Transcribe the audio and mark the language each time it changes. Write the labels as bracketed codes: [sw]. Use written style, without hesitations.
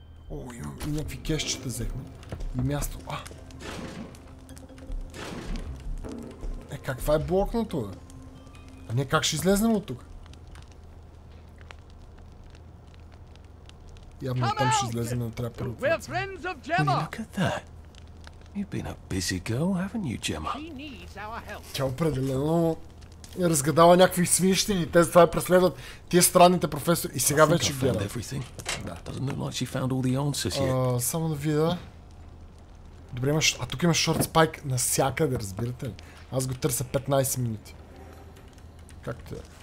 [bg] О, имам и някакви кешчета взехме. И място. А! Е, каква е блокнато, бе? А ние как ще излезнем от тук? Явно там ще излезем, но трябва първо. [en] We're friends of Gemma! Well, look at that. You've been a busy girl, haven't you, Gemma? She needs our help. [bg] Тя определено разгадава някакви свинщини. Те затова я преследват тия странните професори. И сега вече гледа. Да. [en] Doesn't look like she found all the answers yet. [bg] Само да видя. Добре, имаш... А тук имаш шорт спайк насякъде, разбирате ли? Аз го търся 15 минути. Както е.